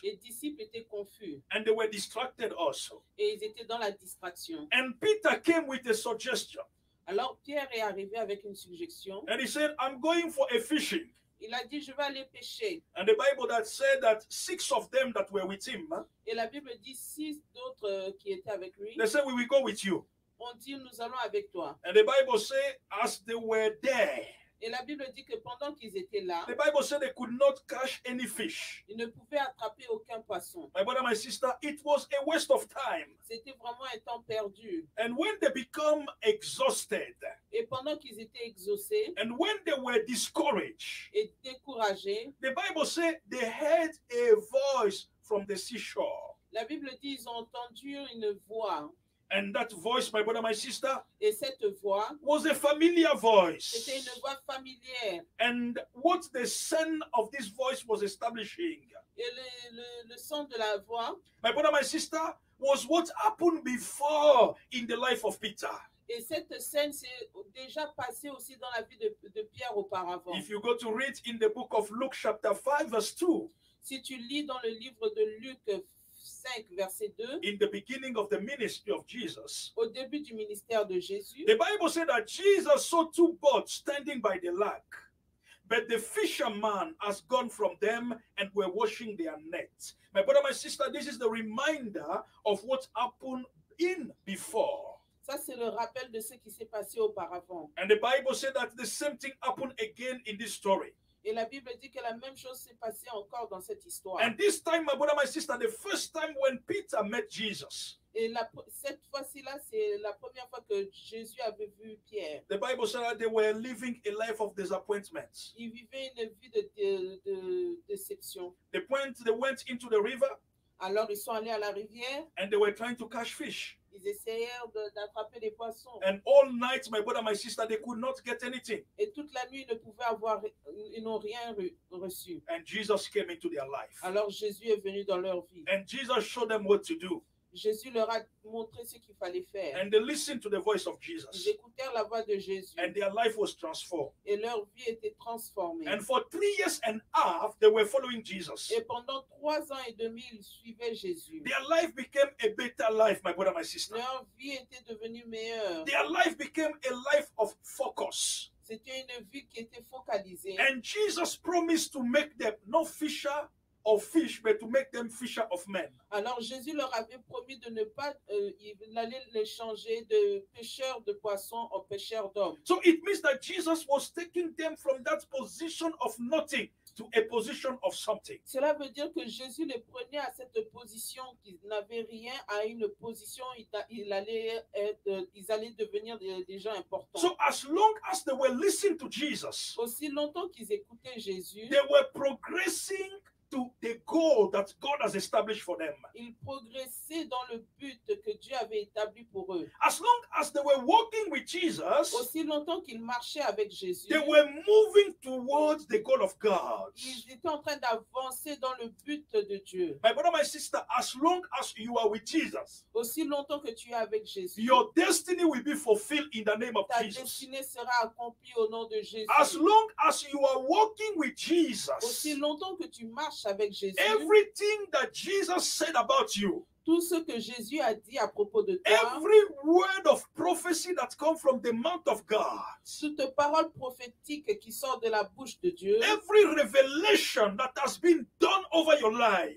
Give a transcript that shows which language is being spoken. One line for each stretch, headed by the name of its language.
French: Les disciples étaient confus.
English: And they were distracted also.
French: Et ils étaient dans la distraction.
English: And Peter came with a suggestion.
French: Alors Pierre est arrivé avec une suggestion.
English: And he said, « I'm going for a fishing. »
French: Il a dit, je vais aller pêcher.
English: And the Bible that said that six of them that were with him.
French: Et la Bible dit six d'autres qui étaient avec lui.
English: They said, we will go with you.
French: On dit, nous allons avec toi.
English: And the Bible said, as they were there.
French: Et la Bible dit que pendant qu'ils étaient là,
English: the Bible said they could not catch any fish.
French: Ils ne pouvaient attraper aucun poisson.
English: My brother, my sister, it was a waste of time.
French: C'était vraiment un temps perdu.
English: And when they become exhausted,
French: et pendant qu'ils étaient exhaustés,
English: and when they were discouraged,
French: et découragés,
English: the Bible said they heard a voice from the seashore.
French: La Bible dit ils ont entendu une voix.
English: And that voice, my brother, my sister,
French: et cette voix,
English: was a familiar voice.
French: C'était une voix familière.
English: And what the sound of this voice was establishing.
French: Et le son de la voix,
English: my brother, my sister, was what happened before in the life of Peter.
French: Et cette scène s'est déjà passée aussi dans la vie de Pierre auparavant.
English: If you go to read in the book of Luke chapter 5 verse 2.
French: Si tu lis dans le livre de Luc 5, verset 2,
English: in the beginning of the ministry of Jesus,
French: au début du ministère de Jésus,
English: the Bible said that Jesus saw two boats standing by the lake, but the fishermen had gone from them and were washing their nets. My brother, my sister, this is the reminder of what happened in before.
French: Ça, c'est le rappel de ce qui s'est passé auparavant.
English: And the Bible said that the same thing happened again in this story.
French: Et la Bible dit que la même chose s'est passée encore dans cette histoire.
English: And this time, my brother, my sister, the first time when Peter met Jesus.
French: Et la, cette fois-ci-là, c'est la première fois que Jésus avait vu Pierre.
English: The Bible said that they were living a life of disappointment.
French: Ils vivaient une vie de déception.
English: They went into the river.
French: Alors, ils sont allés à la rivière.
English: And they were trying to catch fish.
French: Ils essayèrent d'attraper des poissons.
English: And all night, my brother, my sister, they could not get anything.
French: Et toute la nuit, ils ne pouvaient avoir, ils n'ont rien reçu.
English: And Jesus came into their life.
French: Alors, Jésus est venu dans leur vie.
English: And Jesus showed them what to do.
French: Jésus leur a montré ce qu'il fallait faire.
English: And they listened to the voice of Jesus.
French: Ils écoutèrent la voix de Jésus.
English: And their life was transformed.
French: Et leur vie était transformée.
English: And for 3.5 years, they were following Jesus.
French: Et pendant 3 ans et demi, ils suivaient Jésus.
English: Their life became a better life, my brother, my sister.
French: Leur vie était devenue meilleure.
English: Their life became a life of focus.
French: C'était une vie qui était focalisée.
English: And Jesus promised to make them no fisher of fish, but to make them fishers of men.
French: Alors Jésus leur avait promis de ne pas aller les changer de pêcheurs de poissons en pêcheurs d'hommes.
English: So it means that Jesus was taking them from that position of nothing to a position of something.
French: Cela veut dire que Jésus les prenait à cette position qu'ils n'avaient rien à une position ils allaient devenir des gens importants.
English: So as long as they were listening to Jesus,
French: aussi longtemps qu'ils écoutaient Jésus,
English: they were progressing to the goal that God has established for them.
French: Ils progressaient dans le but que Dieu avait établi pour eux.
English: As long as they were walking with Jesus,
French: aussi longtemps qu'ils marchaient avec Jésus,
English: they were moving towards the goal of God.
French: Ils étaient en train d'avancer dans le but de Dieu.
English: My brother, my sister, as long as you are with Jesus,
French: aussi longtemps que tu es avec Jésus,
English: your destiny will be fulfilled in the name of
French: ta
English: Jesus.
French: Ta destinée sera accomplie au nom de Jésus.
English: As long as you are walking with Jesus,
French: aussi longtemps que tu marches avec Jésus,
English: everything that Jesus said about you,
French: tout ce que Jésus a dit à propos de toi,
English: every word of prophecy that comes from the mouth of God,
French: toute parole prophétique qui sort de la bouche de Dieu,
English: every revelation that has been done over your life,